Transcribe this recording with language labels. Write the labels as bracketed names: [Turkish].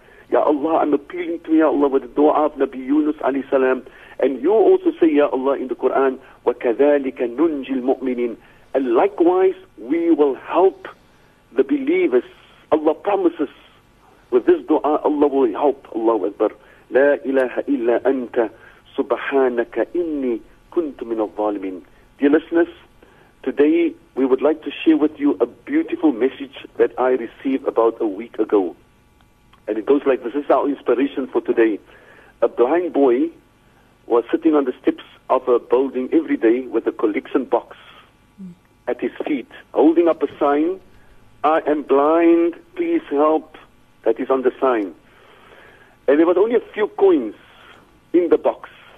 [English] Ya Allah, I'm appealing to Ya Allah with the dua of Nabi Yunus alayhi salam. And you also say, Ya Allah, in the Quran, [Arabic] وَكَذَلِكَ نُنْجِ الْمُؤْمِنِينَ. [English] And likewise, we will help the believers. Allah promises with this dua, Allah will help. [Arabic] Allahu Akbar. لا إله إلا أنت سبحانك إني كنت من الظالمين. [English] Dear listeners, today we would like to share with you a beautiful message that I received about a week ago. And it goes like this. This is our inspiration for today. A blind boy was sitting on the steps of a building every day with a collection box at his feet, holding up a sign, I am blind, please help, that is on the sign. And there was only a few coins in the box.